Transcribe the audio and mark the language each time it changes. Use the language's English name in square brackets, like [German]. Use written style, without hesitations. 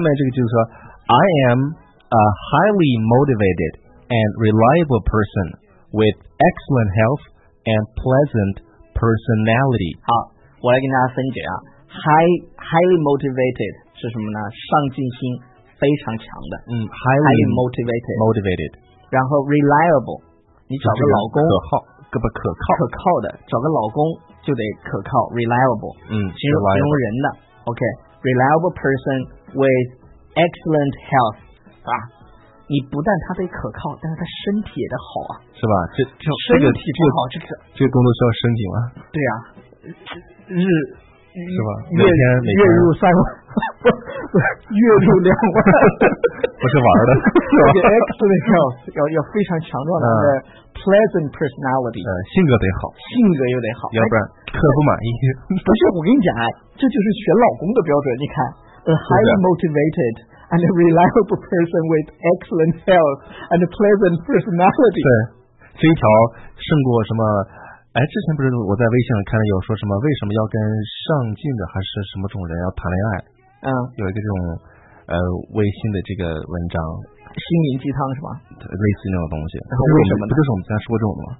[Chinese] 面这个就是说 [English] ，I am a highly motivated and reliable person with excellent health and pleasant personality。 [Chinese] 好，我来跟大家分解啊 ，highly motivated 是什么呢？上进心非常强的， [English] 嗯， highly [Chinese] motivated， 然后 reliable， 你找个老公可靠的，找个老公就得可靠 reliable，嗯，形容人的 [English] OK reliable person with excellent health 啊。 [Chinese] 你不但他得可靠，但是他身体也得好啊，是吧？身体不好，这个工作需要身体吗？对啊，日是吧？每天月入三万，月入两万，不是玩的，是吧？ Excellent health， 要非常强壮的、pleasant personality，性格得好，性格又得好，要不然客户满意。不是，我跟你讲，这就是选老公的标准。你看 ，a highly motivated。 [English] And a reliable person with excellent health and a pleasant personality. [Chinese] 对，这一条胜过什么？哎，之前不是我在微信上看到有说什么为什么要跟上进的还是什么种人要谈恋爱？嗯，有一个这种微信的这个文章，心灵鸡汤是吧？类似那种东西。然后为什么呢？不就是我们刚才说这种的吗？